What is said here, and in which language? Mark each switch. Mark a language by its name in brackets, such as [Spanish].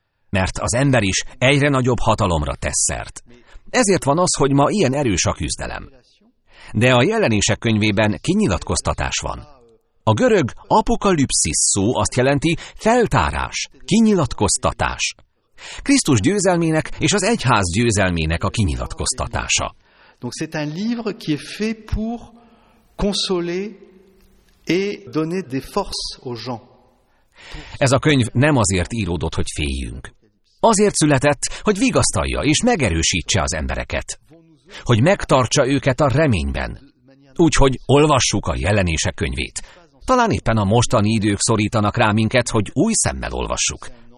[Hungarian] Mert az ember is egyre nagyobb hatalomra tesz szert. Ezért van az, hogy ma ilyen erős a küzdelem. De a jelenések könyvében kinyilatkoztatás van. A görög apokalipszis szó azt jelenti feltárás, kinyilatkoztatás. Krisztus győzelmének és az egyház győzelmének a kinyilatkoztatása. [French] Donc c'est un livre qui est fait pour consoler et donner des forces aux gens. [Hungarian] Ez a könyv nem azért íródott, hogy féljünk. Azért született, hogy vigasztalja és megerősítse az embereket. Hogy megtartsa őket a reményben. Úgyhogy olvassuk a jelenések könyvét. Talán éppen a mostani idők szorítanak rá minket, hogy új szemmel olvassuk.